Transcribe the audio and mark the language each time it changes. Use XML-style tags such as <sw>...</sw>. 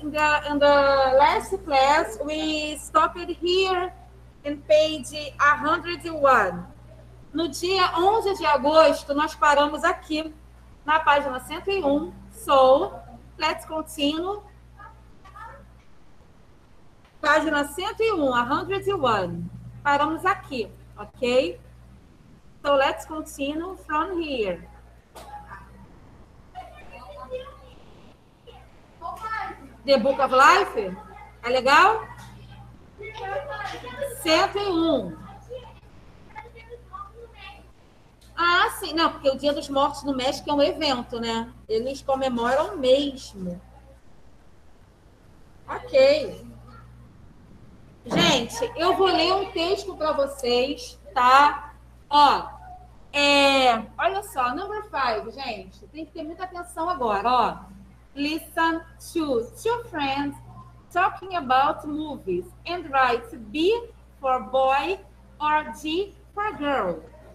<en>In the last class, we stopped here in page 101.</en> <pt>No dia 11 de agosto, nós paramos aqui na página 101.</pt> <en>So, let's continue.</en> <pt>Página 101, 101. Paramos aqui, ok?</pt> <en>So let's continue from here.</en> <pt>The Book of Life? É legal? 101. Ah, sim. Não, porque o Dia dos Mortos no México é um evento, né? Eles comemoram mesmo. Ok. Gente, eu vou ler um texto para vocês, tá? Ó. Olha só,</pt> <en>number five,</en> <pt>gente, tem que ter muita atenção agora, ó.</pt> <en>Listen to two friends talking about movies and write B for boy or G for girl.</en>